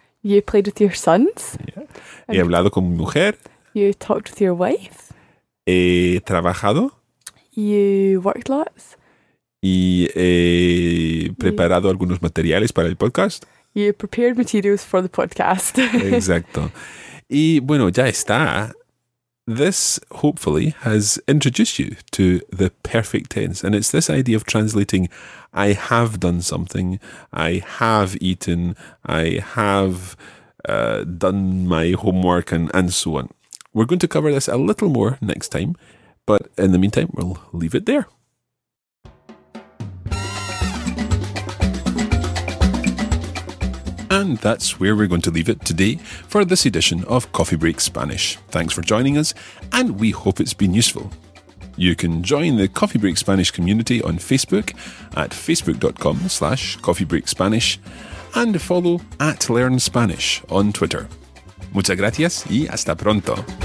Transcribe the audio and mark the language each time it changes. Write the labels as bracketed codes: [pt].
[en] You played with your sons. [es] Yeah. He hablado con mi mujer. [en] You talked with your wife. [es] He trabajado. [en] You worked lots. [es] Y he preparado algunos materiales para el podcast. [en] You prepared materials for the podcast. [es] Exacto. Y bueno, ya está. [en] This, hopefully, has introduced you to the perfect tense. And it's this idea of translating, I have done something, I have eaten, I have done my homework, and so on. We're going to cover this a little more next time. But in the meantime, we'll leave it there. And that's where we're going to leave it today for this edition of Coffee Break Spanish. Thanks for joining us, and we hope it's been useful. You can join the Coffee Break Spanish community on Facebook at facebook.com/coffeebreakspanish and follow @learnspanish on Twitter. [es] Muchas gracias y hasta pronto.